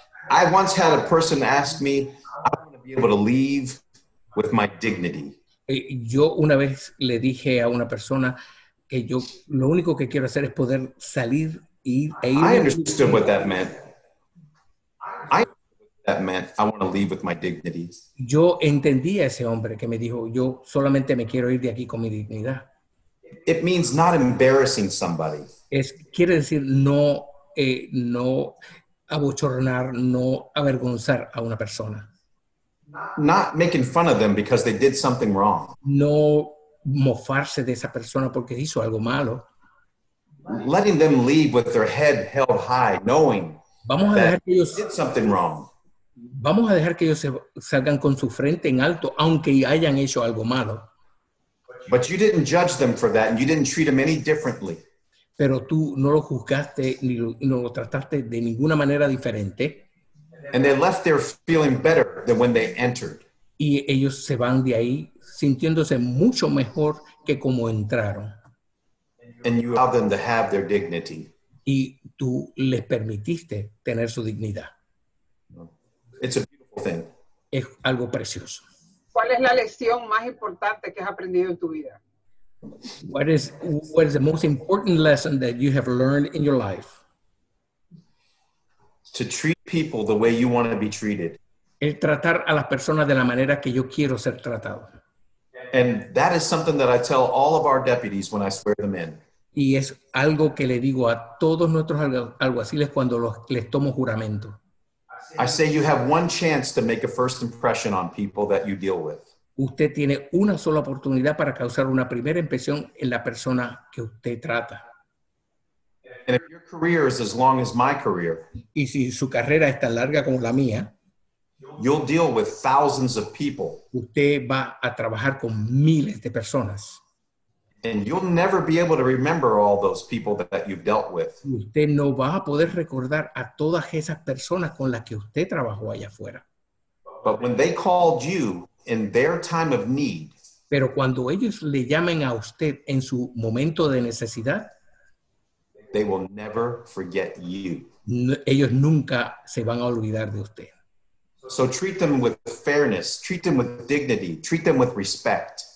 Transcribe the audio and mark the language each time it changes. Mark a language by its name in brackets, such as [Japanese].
[English] I once had a person ask me, I want to be able to leave with my dignity. [Spanish] Yo una vez le dije a una persona que yo lo único que quiero hacer es poder salir e ir. [English] I understood what that meant. That meant I want to leave with my dignity. [Spanish] Yo entendí a ese hombre que me dijo, yo solamente me quiero ir de aquí con mi dignidad. [English] It means not embarrassing somebody. [Spanish] Quiere decir no abochornar, no avergonzar a una persona. [English] Not making fun of them because they did something wrong. [Spanish] No mofarse de esa persona porque hizo algo malo. [English] Letting them leave with their head held high, knowing they did something wrong. [Spanish] Vamos a dejar que ellos salgan con su frente en alto, aunque hayan hecho algo malo. [English] But you didn't judge them for that, and you didn't treat them any differently. [Spanish] Pero tú no lo juzgaste ni lo trataste de ninguna manera diferente. [English] And they left there feeling better than when they entered. [Spanish] Y ellos se van de ahí sintiéndose mucho mejor que como entraron. [English] And you allowed them to have their dignity. [Spanish] Y tú les permitiste tener su dignidad. [English] It's a beautiful thing. [Spanish] Es algo precioso. ¿Cuál es la lección más importante que has aprendido en tu vida? [English] What is the most important lesson that you have learned in your life? To treat people the way you want to be treated. [Spanish] El tratar a las personas de la manera que yo quiero ser tratado. [English] And that is something that I tell all of our deputies when I swear them in. [Spanish] Y es algo que le digo a todos nuestros alguaciles cuando les tomo juramento. [English] I say you have one chance to make a first impression on people that you deal with. [Spanish] Usted tiene una sola oportunidad para causar una primera impresión en la persona que usted trata. [English] And if your career is as long as my career, [Spanish] y si su carrera es tan larga como la mía, [English] you'll deal with thousands of people. [Spanish] Usted va a trabajar con miles de personas. [English] And you'll never be able to remember all those people that you've dealt with. [Spanish] Usted no va a poder recordar a todas esas personas con las que usted trabajó allá afuera. [English] But when they called you in their time of need, [Spanish] pero cuando ellos le llamen a usted en su momento de necesidad, [English] they will never forget you. [Spanish] Ellos nunca se van a olvidar de usted. [English] So treat them with fairness, treat them with dignity, treat them with respect.